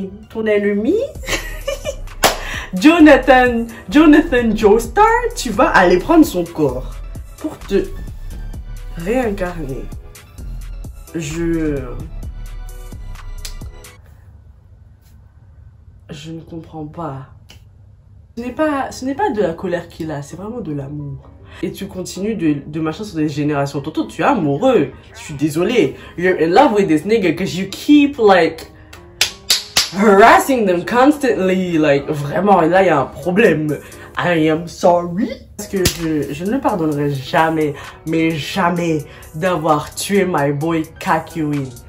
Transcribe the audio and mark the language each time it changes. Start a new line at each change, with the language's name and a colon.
French: Ton ennemi? Jonathan Joestar, tu vas aller prendre son corps pour te réincarner. Je ne comprends pas. Ce n'est pas de la colère qu'il a, c'est vraiment de l'amour. Et tu continues de machin sur des générations. Tonton, tu es amoureux. Je suis désolée.
English: You're in love with this nigga because you keep like harassing them constantly.
French: Like, vraiment, là, il y a un problème.
English: I am sorry.
French: Parce que je ne pardonnerai jamais, mais jamais, d'avoir tué
English: my boy
French: Kakyoin.